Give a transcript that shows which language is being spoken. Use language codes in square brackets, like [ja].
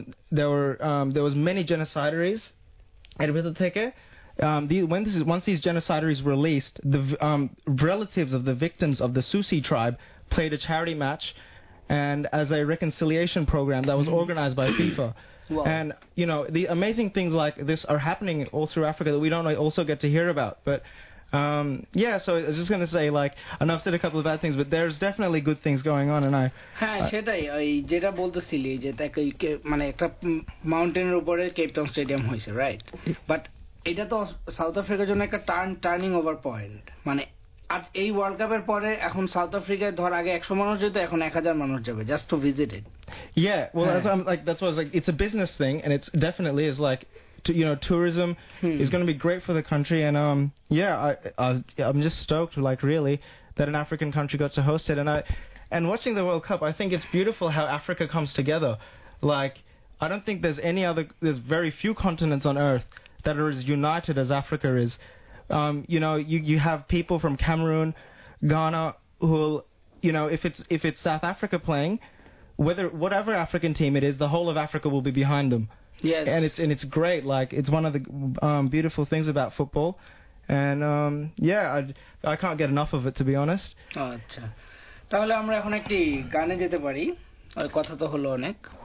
[en] There was many genocidaries. Once these genocidaries were released, the relatives of the victims of the Susi tribe played a charity match, and as a reconciliation program that was organized by FIFA. Well, and, you know, the amazing things like this are happening all through Africa that we don't also get to hear about. But, yeah, so I was just going to say, like, enough said a couple of bad things, but there's definitely good things going on, and I... [bn] হ্যাঁ, সেটাই ওই যেটা বলতেছিলি যে মানে একটা মাউন্টেনের উপরে Cape town stadium হয়েছে, right? But এটা তো সাউথ আফ্রিকার জন্য একটা টার্নিং ওভার পয়েন্ট, মানে আজ এই ওয়ার্ল্ড কাপের পরে এখন সাউথ আফ্রিকায় ধর আগে 100 মানুষ যেত, এখন 1000 মানুষ যাবে [en] Just to visit it. Yeah, well, that's what I'm like, that's what I was like, it's a business thing, and it's definitely is like tourism is going to be great for the country. And I'm just stoked, like, really, that an African country got to host it. And watching the World Cup, I think it's beautiful how Africa comes together. Like, I don't think there's very few continents on Earth that are as united as Africa is. You have people from Cameroon, Ghana, who if it's South Africa playing, whatever African team it is, the whole of Africa will be behind them. Yes. And it's great. Like, it's one of the beautiful things about football. And I can't get enough of it, to be honest. [bn] Acha. তাহলে আমরা এখন একটি গানে যেতে পারি, আর কথা তো হলো অনেক।